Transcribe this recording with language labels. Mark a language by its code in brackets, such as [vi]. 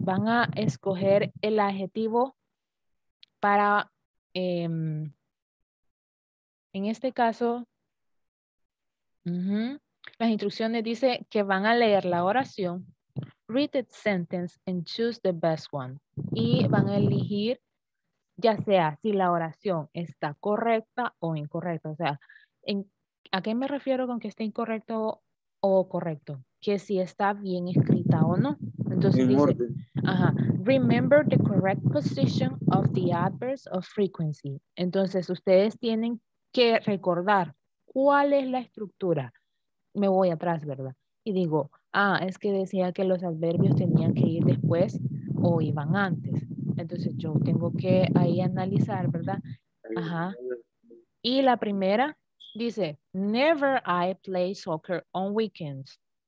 [es] Van a escoger el adjetivo para, en este caso, las instrucciones dice que van a leer la oración, [en] read the sentence and choose the best one. [es] Y van a elegir ya sea si la oración está correcta o incorrecta. O sea, ¿a qué me refiero con que esté incorrecto o correcto? Que si está bien escrita o no. Entonces dice, [en] remember the correct position of the adverbs of frequency. [es] Entonces ustedes tienen que recordar cuál es la estructura. Me voy atrás, ¿verdad? Y digo, es que decía que los adverbios tenían que ir después o iban antes. Entonces yo tengo que ahí analizar, ¿verdad? Y la primera dice, [en] never I play soccer on weekends.